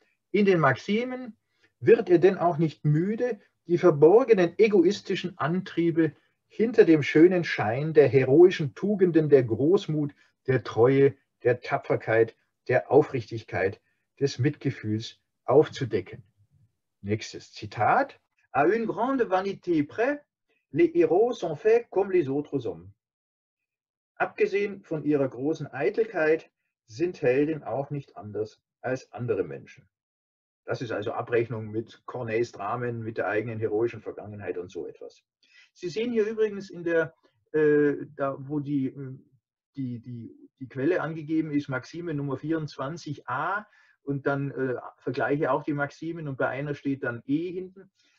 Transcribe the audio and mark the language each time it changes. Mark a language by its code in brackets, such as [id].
[de] In den Maximen wird er denn auch nicht müde, die verborgenen egoistischen Antriebe hinter dem schönen Schein der heroischen Tugenden, der Großmut, der Treue, der Tapferkeit, der Aufrichtigkeit, des Mitgefühls aufzudecken. Nächstes Zitat. [fr] À une grande vanité près, les héros sont faits comme les autres hommes. [de] Abgesehen von ihrer großen Eitelkeit sind Helden auch nicht anders als andere Menschen. Das ist also Abrechnung mit Corneilles Dramen, mit der eigenen heroischen Vergangenheit und so etwas. Sie sehen hier übrigens in der, da wo die Quelle angegeben ist, Maxime Nummer 24a und dann vergleiche auch die Maximen und bei einer steht dann E hinten.